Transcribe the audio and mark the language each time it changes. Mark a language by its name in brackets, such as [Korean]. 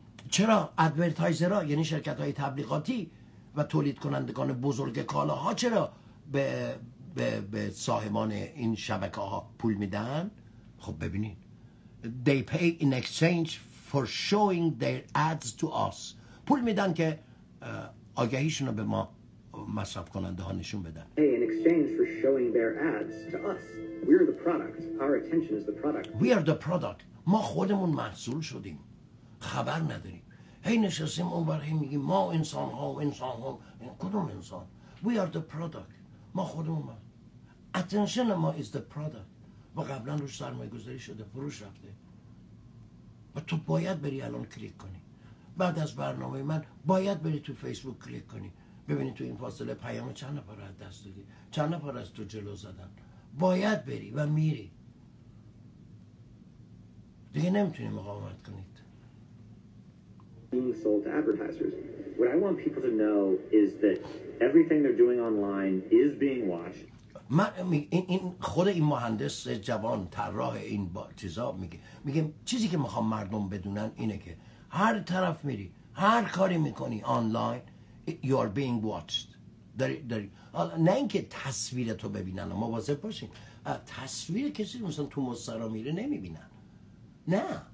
[Persian] چرا ادورتایزرها یعنی شرکت های تبلیغاتی و تولید کنندگان بزرگ کالاها چرا به صاحبان این شبکه ها پول میدن؟ خب ببینید [English] They pay in exchange for showing their ads to us. [Persian] پول میدن که آگهیشون رو به ما مصرف کننده ها نشون بدن. [English] Pay in exchange for showing their ads to us. We are the product. Our attention is the product. We are the product. [Persian] ما خودمون محصول شدیم. خبر نداریم. هی نشستیم اون برای میگیم ما انسان ها و انسان ها. کدوم انسان؟ [English] We are the product. [Persian] ما خودمون محصول. [English] Attention ما is the product. [Persian] و قبلا روش سرمایه گذاری شده، فروش رفته و تو باید بری الان کلیک کنی، بعد از برنامه من باید بری تو فیسبوک کلیک کنی ببینی تو این فاصله پیام چند نفر از دست دادی، چند نفر از تو جلو زدن. باید بری و میری دیگه، نمیتونی مقاومت کنی. [English] Being sold to advertisers. What I want people to know is that everything they're doing online is being watched. [Persian] این خود این مهندس جوان طراح این چیزا میگه چیزی که میخوام مردم بدونن اینه که هر طرف میری هر کاری میکنی آنلاین [English] you are being watched. [Persian] داری نه اینکه تصویر تو ببینن، مواظب باشین تصویر کسی مثلا تو مسترا میره نمیبینن، نه.